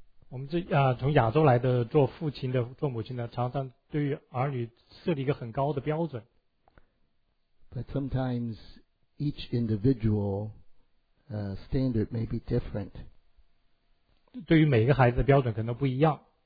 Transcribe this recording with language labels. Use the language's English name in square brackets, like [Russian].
[Chinese] 我们这从亚洲来的做父亲的做母亲的，常常对于儿女设立一个很高的标准。 [English] But sometimes each individual standard may be different. [Chinese] 对于每一个孩子的标准可能不一样。